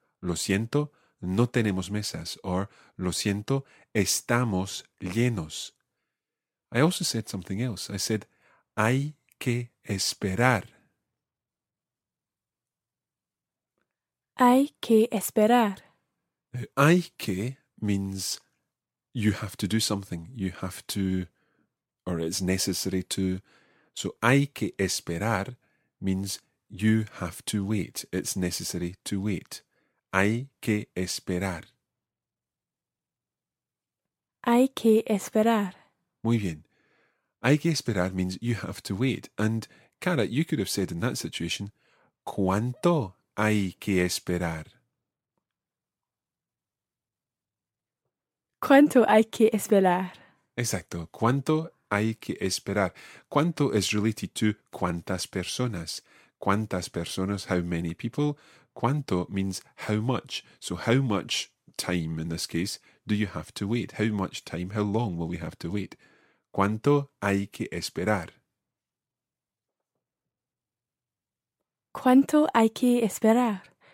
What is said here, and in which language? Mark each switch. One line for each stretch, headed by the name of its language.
Spanish: Lo siento, no tenemos mesas.
English: Or
Spanish: lo siento, estamos llenos.
English: I also said something else. I said,
Spanish: hay que esperar. Hay que esperar.
English: Now, hay que means you have to do something. You have to, or it's necessary to. So
Spanish: hay que esperar
English: means you have to wait. It's necessary to wait.
Spanish: Hay que esperar. Hay que esperar. Muy bien. Hay que esperar
English: means you have to wait. And, Cara, you could have said in that situation,
Spanish: ¿cuánto hay que esperar? ¿Cuánto hay que esperar? Exacto. ¿Cuánto hay que esperar?
English: ¿Cuánto is related to
Spanish: cuántas personas? ¿Cuántas personas?
English: How many people? ¿Cuánto means how much? So how much time, in this case, do you have to wait? How much time? How long will we have to wait?
Spanish: ¿Cuánto hay que esperar? ¿Cuánto hay que esperar?